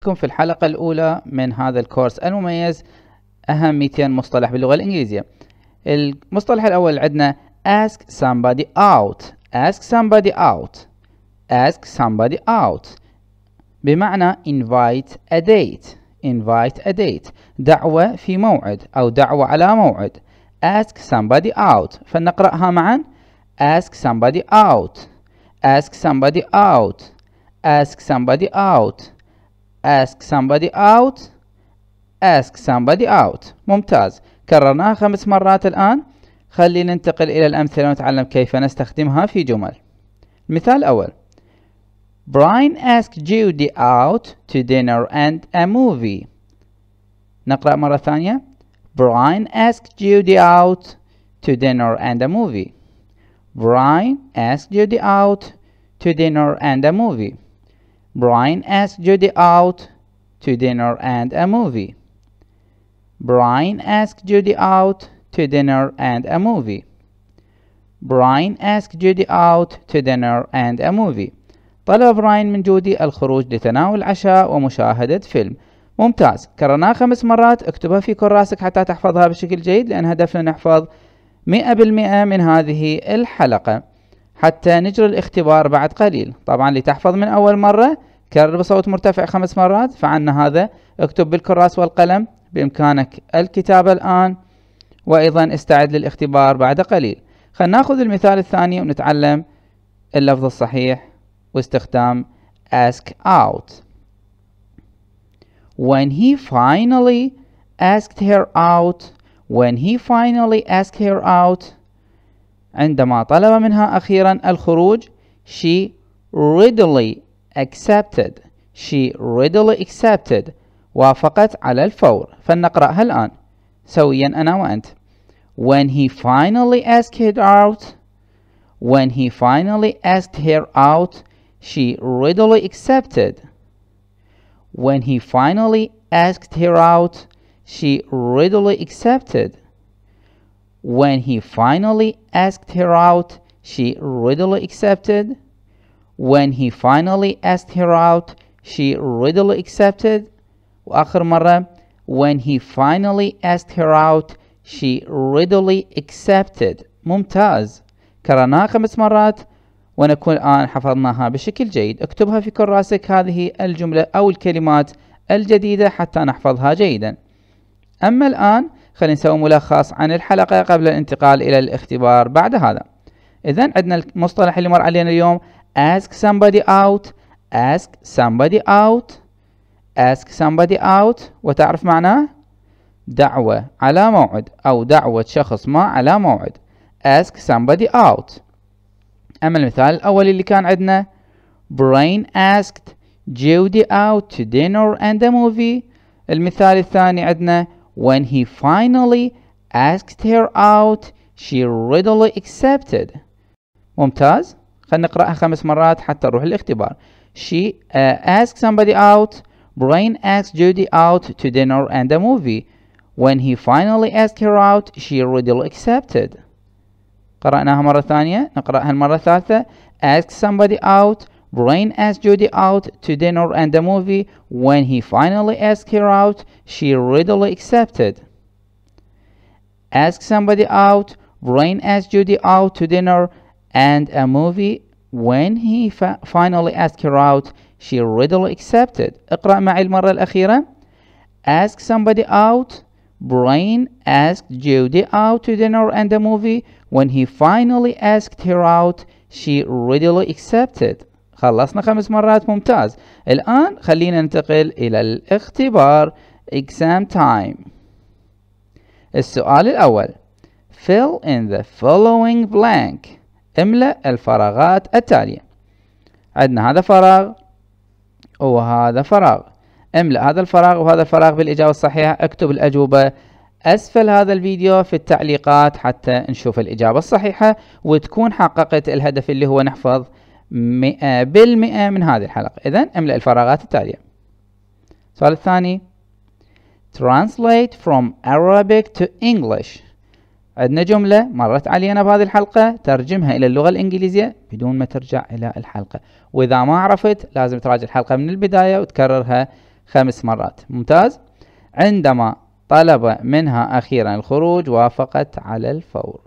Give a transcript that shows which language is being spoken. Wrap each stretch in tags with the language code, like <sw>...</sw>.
<ar>بكم في الحلقة الأولى من هذا الكورس المميز أهم 200 مصطلح باللغة الإنجليزية. المصطلح الأول عندنا</ar> <en>Ask somebody out. Ask somebody out. Ask somebody out</en> <ar>بمعنى</ar> <en>invite a date. Invite a date</en> <ar>دعوة في موعد أو دعوة على موعد.</ar> <en>Ask somebody out.</en> <ar>فلنقرأها معا.</ar> <en>Ask somebody out. Ask somebody out. Ask somebody out. Ask somebody out. Ask somebody out.</en> <ar>ممتاز. كررناها 5 مرات الآن. خلينا ننتقل إلى الأمثلة ونتعلم كيف نستخدمها في جمل. المثال الأول.</ar> <en>Brian asked Judy out to dinner and a movie.</en> <ar>نقرأ مرة ثانية.</ar> <en>Brian asked Judy out to dinner and a movie. Brian asked Judy out to dinner and a movie. Brian asked Judy out to dinner and a movie. Brian asked Judy out to dinner and a movie. Brian asked Judy out to dinner and a movie.</en> <ar>طلب براين من جودي الخروج لتناول عشاء ومشاهدة فيلم. ممتاز. كررناها 5 مرات. اكتبها في كراسك حتى تحفظها بشكل جيد، لأن هدفنا نحفظ 100% من هذه الحلقة حتى نجري الاختبار بعد قليل. طبعا لتحفظ من أول مرة كرر بصوت مرتفع 5 مرات. فعلنا هذا، اكتب بالكراس والقلم، بإمكانك الكتابة الآن، وأيضا استعد للاختبار بعد قليل. خلنا نأخذ المثال الثاني ونتعلم اللفظ الصحيح واستخدام</ar> <en>ask out. When he finally asked her out. When he finally asked her out.</en> <ar>عندما طلب منها أخيرا الخروج.</ar> <en>She readily accepted. She readily accepted.</en> <ar>وافقت على الفور. فلنقرأها الآن سويا أنا وأنت.</ar> <en>When he finally asked her out. When he finally asked her out. She readily accepted. When he finally asked her out, she readily accepted. When he finally asked her out, she readily accepted. When he finally asked her out, she readily accepted.</en> <ar>وآخر مرة.</ar> <en>When he finally asked her out, she readily accepted.</en> <ar>ممتاز. كررناها 5 مرات. ونكون الآن حفظناها بشكل جيد. اكتبها في كراسك هذه الجملة أو الكلمات الجديدة حتى نحفظها جيدا. أما الآن خلينا نسوي ملخص عن الحلقة قبل الانتقال إلى الاختبار بعد هذا. إذن عندنا المصطلح اللي مر علينا اليوم</ar> <en>Ask somebody out. Ask somebody out. Ask somebody out.</en> <ar>وتعرف معناه؟ دعوة على موعد أو دعوة شخص ما على موعد.</ar> <en>Ask somebody out.</en> <ar>أما المثال الأول اللي كان عندنا</ar> <en>Brian asked Judy out to dinner and a movie.</en> <ar>المثال الثاني عندنا</ar> <en>When he finally asked her out, she readily accepted.</en> <ar>ممتاز. خلنا نقرأها 5 مرات حتى نروح الاختبار.</ar> <en>She asked somebody out. Brian asked Judy out to dinner and a movie. When he finally asked her out, she readily accepted.</en> <ar>قرأناها مرة ثانية. نقرأها المرة الثالثة.</ar> <en>Ask somebody out. Brian asked Judy out to dinner and a movie. When he finally asked her out, she readily accepted. Ask somebody out. Brian asked Judy out to dinner and a movie. When he finally asked her out, she readily accepted.</en> <ar>اقرأ معي المرة الأخيرة.</ar> <en>Ask somebody out. Brian asked Judy out to dinner and a movie. When he finally asked her out, she readily accepted.</en> <ar>خلصنا 5 مرات. ممتاز. الآن خلينا ننتقل إلى الاختبار.</ar> <en>Exam time.</en> <ar>السؤال الأول.</ar> <en>Fill in the following blank.</en> <ar>املأ الفراغات التالية. عندنا هذا فراغ وهذا فراغ. املأ هذا الفراغ وهذا الفراغ بالإجابة الصحيحة. اكتب الأجوبة أسفل هذا الفيديو في التعليقات حتى نشوف الإجابة الصحيحة وتكون حققت الهدف اللي هو نحفظ 100% من هذه الحلقة. إذن املأ الفراغات التالية. السؤال الثاني.</ar> <en>Translate from Arabic to English.</en> <ar>عندنا جملة مرت علينا بهذه الحلقة، ترجمها إلى اللغة الإنجليزية بدون ما ترجع إلى الحلقة. وإذا ما عرفت لازم تراجع الحلقة من البداية وتكررها خمس مرات. ممتاز. عندما طلب منها أخيرا الخروج وافقت على الفور.</ar>